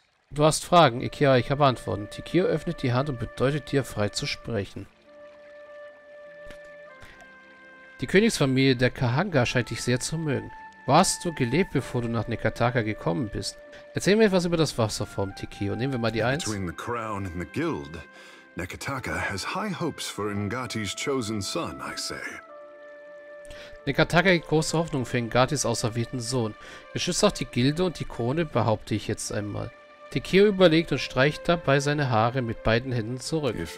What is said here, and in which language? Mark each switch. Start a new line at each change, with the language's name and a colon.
German: Du hast Fragen, Ikera, ich habe Antworten. Tekeo öffnet die Hand und bedeutet dir, frei zu sprechen. Die Königsfamilie der Kahanga scheint dich sehr zu mögen. Wo hast du gelebt, bevor du nach Nekataka gekommen bist? Erzähl mir etwas über das Wasser vom Tekeo. Nehmen wir mal die 1.
English: Between the crown and the guild, Nekataka has high hopes for Ngati's chosen son, I say.
German: Nekataka hat große Hoffnung für Ngatis auserwählten Sohn. Beschützt auch die Gilde und die Krone, behaupte ich jetzt einmal. Tekeo überlegt und streicht dabei seine Haare mit beiden Händen zurück.